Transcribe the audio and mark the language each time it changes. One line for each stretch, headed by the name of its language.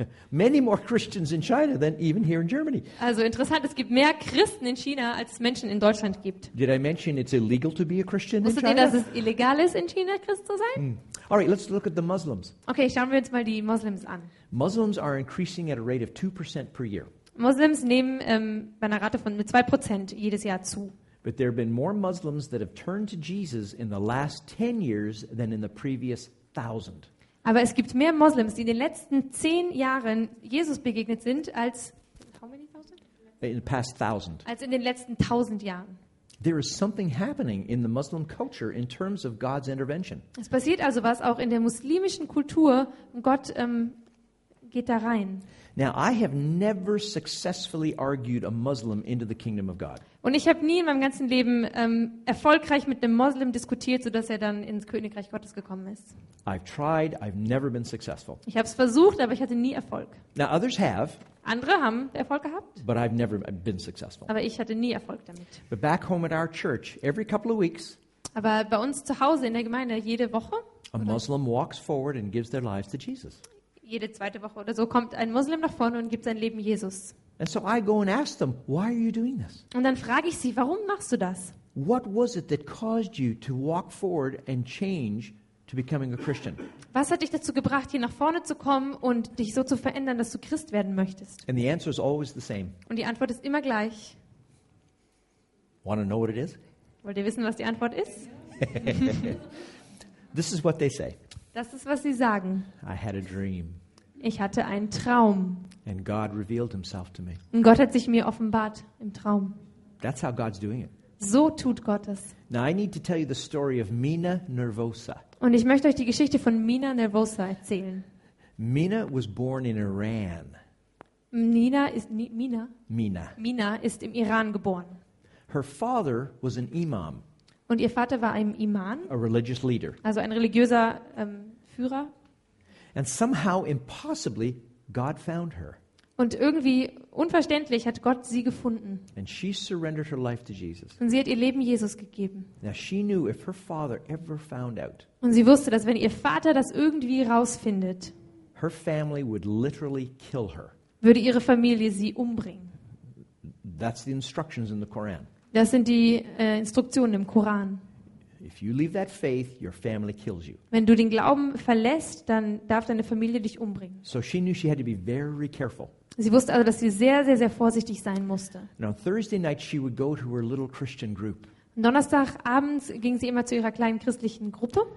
English: Many more Christians in China than even here in Germany.
German: Also interessant, es gibt mehr Christen in China als Menschen in Deutschland gibt.
English: Did I mention it's illegal to be a Christian in China?
German: ihr, dass es illegal ist, in China Christ zu sein?
English: All right, let's look at the Muslims.
German: Okay, schauen wir uns mal die Muslims an.
English: Muslims are increasing at a rate of 2% per year.
German: Muslims nehmen bei einer Rate von 2% jedes Jahr zu.
English: But there have been more Muslims that have turned to Jesus in the last 10 years than in the previous 1,000.
German: Aber es gibt mehr Moslems, die in den letzten 10 Jahren Jesus begegnet sind, als
English: how many thousand? In the past thousand.
German: Als in den letzten 1,000 Jahren.
English: There is something happening in the Muslim culture in terms of God's intervention.
German: Es passiert also was auch in der muslimischen Kultur und Gott geht da rein.
English: Now I have never successfully argued a Muslim into the kingdom of God.
German: Und ich habe nie in meinem ganzen Leben erfolgreich mit einem Moslem diskutiert, sodass er dann ins Königreich Gottes gekommen ist.
English: I've tried, I've never been successful.
German: Ich habe es versucht, aber ich hatte nie Erfolg.
English: Now others have.
German: Andere haben Erfolg gehabt.
English: But I've never been successful.
German: Aber ich hatte nie Erfolg damit.
English: But back home at our church, every couple of weeks.
German: Aber bei uns zu Hause in der Gemeinde jede Woche.
English: A Muslim walks forward and gives their lives to Jesus.
German: Jede zweite Woche oder so kommt ein Muslim nach vorne und gibt sein Leben Jesus.
English: And so I go and ask them, "Why are you doing this?"
German: Und dann frage ich sie, warum machst du das?
English: What was it that caused you to walk forward and change to becoming a Christian?
German: Was hat dich dazu gebracht, hier nach vorne zu kommen und dich so zu verändern, dass du Christ werden möchtest?
English: And the answer is always the same.
German: Und die Antwort ist immer gleich.
English: Want to know what it is?
German: Wollt ihr wissen, was die Antwort ist?
English: This is what they say.
German: Das ist, was sie sagen.
English: I had a dream.
German: Ich hatte einen Traum.
English: And God revealed himself to me.
German: Und Gott hat sich mir offenbart im Traum.
English: That's how God's doing it.
German: So tut Gott es.
English: Now I need to tell you the story of Mina Nervosa.
German: Und ich möchte euch die Geschichte von Mina Nervosa erzählen.
English: Mina was born in Iran.
German: Mina ist im Iran geboren.
English: Her father was an Imam.
German: Und ihr Vater war ein Imam.
English: A religious leader.
German: Also ein religiöser Führer.
English: And somehow impossibly God found her.
German: Und irgendwie unverständlich hat Gott sie gefunden.
English: And she surrendered her life to Jesus.
German: Und sie hat ihr Leben Jesus gegeben.
English: Now she knew if her father ever found out.
German: Und sie wusste, dass wenn ihr Vater das irgendwie rausfindet,
English: her family would literally kill her.
German: Würde ihre Familie sie umbringen.
English: That's the instructions in the Quran.
German: Das sind die Instruktionen im Koran.
English: If you leave that faith, your family kills you.
German: Wenn du den Glauben verlässt, dann darf deine Familie dich umbringen.
English: So she knew she had to be very careful.
German: Sie wusste also, dass sie sehr, sehr, sehr vorsichtig sein musste.
English: Now, Thursday night she would go to her little Christian group.
German: Donnerstagabends ging sie immer zu ihrer kleinen christlichen Gruppe.